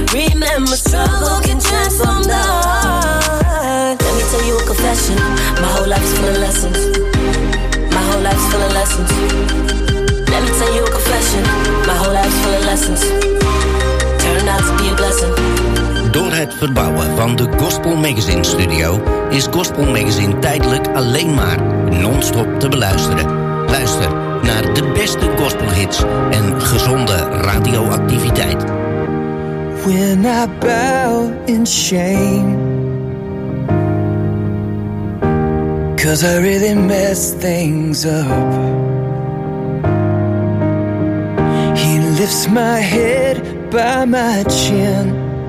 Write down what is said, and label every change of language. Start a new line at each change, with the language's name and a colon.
English: Remember, struggle can transform the heart. Let me tell you a confession. My whole life's full of lessons. My whole life's full of lessons. Let me tell you a confession. My whole life's full of lessons. Turned out to be a blessing.
Dutch: Door het verbouwen van de Gospel Magazine Studio is Gospel Magazine tijdelijk alleen maar non-stop te beluisteren. Luister naar de beste gospelhits en gezonde radioactiviteit.
English: When I bow in shame, 'cause I really mess things up, He lifts my head by my chin.